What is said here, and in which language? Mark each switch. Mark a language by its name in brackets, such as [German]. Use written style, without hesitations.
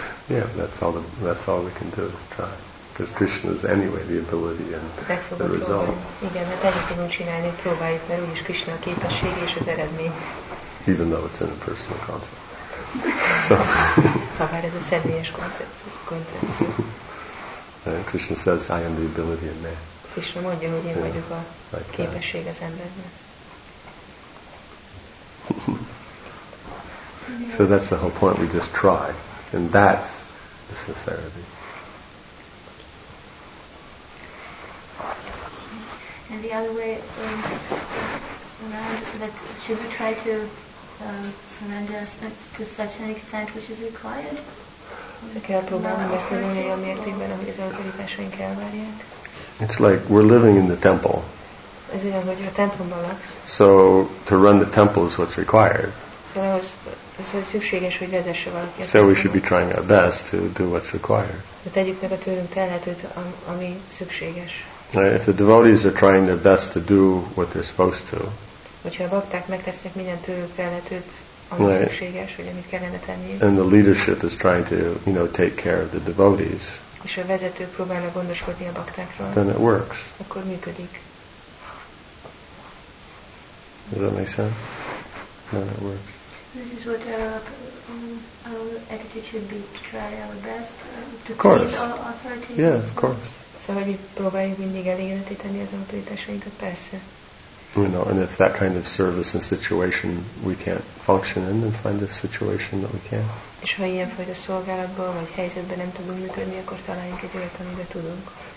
[English] Yeah, that's all we can do is try. Because Krishna is anyway the ability and the result. [Hungarian] Igen, mert egyet tudunk csinálni, próbáljuk, mert úgyis Krishna a képesség és az eredmény. [English] Even though it's in a personal concept. So. [Hungarian] Ha bár ez a személyes koncepció. [English] Krishna says, I am the ability in man. [Hungarian] Krishna mondja, hogy én vagyok a képesség az emberben. [English] So that's the whole point. We just try. And that's the sincerity. And the other way around, that should we try to surrender to such an extent which is required? It's like we're living in the temple. [Hungarian] Ez olyan, hogy a templomban laksz. [English] So to run the temple is what's required. [Hungarian] Szóval szükséges, hogy vezesse valaki. [English] So we should be trying our best to do what's required. [Hungarian] De tegyük meg a tőlünk telhetőt, ami szükséges. [English] If the devotees are trying their best to do what they're supposed to, [Hungarian] hogyha a bakták megtesznek mindent, tőlük telhetőt, ami szükséges, hogy amit kellene tenni. [English] And the leadership is trying to, you know, take care of the devotees. [Hungarian] És a vezető próbálna gondoskodni a baktákról. [English] Then it works. [Hungarian] Akkor működik. [English] Does that make sense? Then it works. This is what our attitude should be, to try our best to please all authorities. Yes, of course. So we [Hungarian] próbáljuk mindig elégedetíteni az autoritásainkat, persze. [English] You know, and if that kind of service and situation we can't function in, then find a situation that we can. [Hungarian] És ha ilyenfajta szolgálatban vagy helyzetben nem tudunk működni, akkor találjunk egy olyat, amiben tudunk.